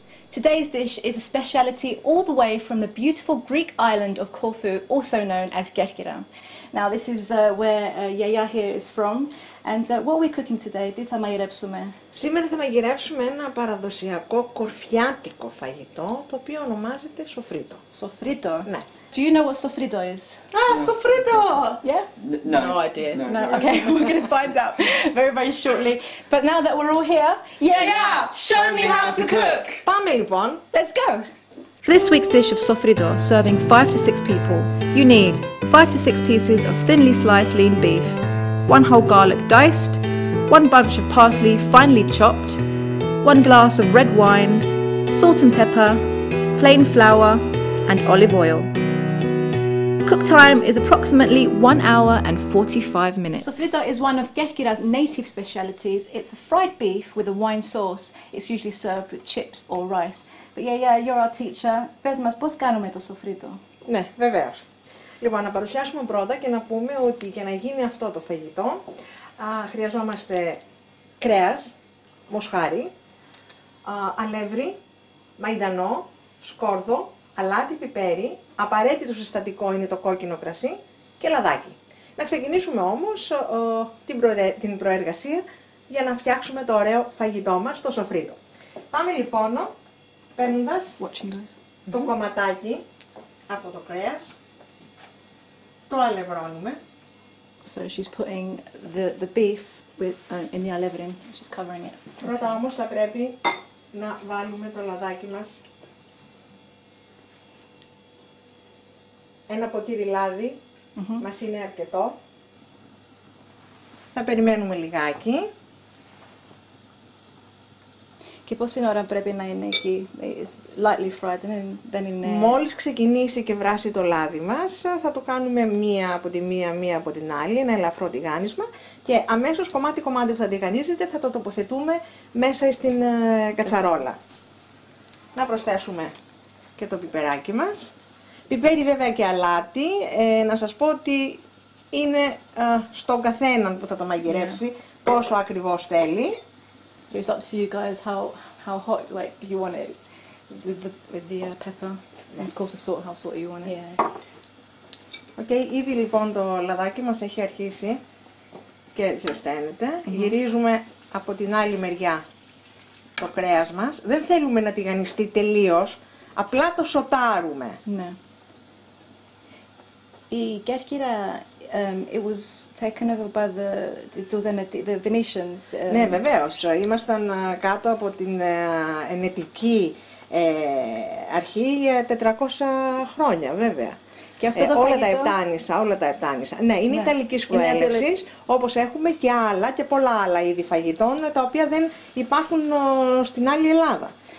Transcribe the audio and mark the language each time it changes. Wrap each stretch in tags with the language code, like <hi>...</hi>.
<en>Today's dish is a speciality all the way from the beautiful Greek island of Corfu, also known as Kerkyra. Now this is where Yiayia here is from. And what are we cooking today?</en> <el>Τι θα μαγειρέψουμε? Σήμερα θα μαγειρέψουμε ένα παραδοσιακό κορφιάτικο φαγητό το οποίο ονομάζεται σοφρίτο. Σοφρίτο? Ναι.</el> <en>Do you know what sofrito is? Ah, sofrito! Yeah? No idea. No. Okay, we're going to find out very, very shortly. But now that we're all here, Yiayia, show me how to cook!</en> <el>Πάμε λοιπόν.</el> <en>Let's go! For this week's dish of sofrito, serving 5 to 6 people, you need 5 to 6 pieces of thinly sliced lean beef, one whole garlic diced, one bunch of parsley finely chopped, one glass of red wine, salt and pepper, plain flour, and olive oil. Cook time is approximately 1 hour and 45 minutes. Sofrito is one of Kerkyra's native specialities. It's a fried beef with a wine sauce. It's usually served with chips or rice. But yeah, you're our teacher.</en> <el>Πες μας, πώς κάνουμε το σοφρίτο? Ναι, βεβαίως. Λοιπόν, να παρουσιάσουμε πρώτα και να πούμε ότι για να γίνει αυτό το φαγητό χρειαζόμαστε κρέας, μοσχάρι, αλεύρι, μαϊντανό, σκόρδο, αλάτι, πιπέρι, απαραίτητο συστατικό είναι το κόκκινο κρασί και λαδάκι. Να ξεκινήσουμε όμως την προεργασία για να φτιάξουμε το ωραίο φαγητό μας, το σοφρίτο. Πάμε λοιπόν, παίρνοντας το κομματάκι από το κρέας, το αλευρώνουμε.</el> <en>So she's putting the beef in the alevrin. She's covering it.</en> <el>Πρώτα όμως θα πρέπει να βάλουμε το λαδάκι μας. Ένα ποτήρι λάδι μας είναι αρκετό. Θα περιμένουμε λιγάκι. Και πόση ώρα πρέπει να είναι εκεί?</el> <en>It's lightly fried,</en> <el>δεν είναι... Μόλις ξεκινήσει και βράσει το λάδι μας, θα το κάνουμε μία από τη μία, μία από την άλλη, ένα ελαφρό τηγάνισμα. Και αμέσως κομμάτι-κομμάτι που θα τηγανίζεται, θα το τοποθετούμε μέσα στην κατσαρόλα. Να προσθέσουμε και το πιπεράκι μας. Πιπέρι βέβαια και αλάτι, να σας πω ότι είναι στον καθέναν που θα το μαγειρέψει πόσο ακριβώς θέλει.</el> <en>So it's up to you guys how hot like you want it with the pepper. Yeah. Of course, the salt, how salty you want it. Yeah. Okay,</en> <el>ήδη λοιπόν το λαδάκι μας έχει αρχίσει και ζεσταίνεται. Mm-hmm. Γυρίζουμε από την άλλη μεριά το κρέας μας. Δεν θέλουμε να τηγανιστεί τελείως, απλά το σοτάρουμε. Ναι.</el> <en>Η κέρκυρα, it was taken over by the Venetians.</en> <el>Ναι, βεβαίως. Ήμασταν κάτω από την ενετική αρχή για 400 χρόνια, βέβαια. Και αυτό το όλα τα επτάνησα, όλα τα επτάνησα. Ναι, είναι ιταλικής προέλευσης, όπως έχουμε και άλλα και πολλά άλλα είδη φαγητών, τα οποία δεν υπάρχουν στην άλλη Ελλάδα.</el>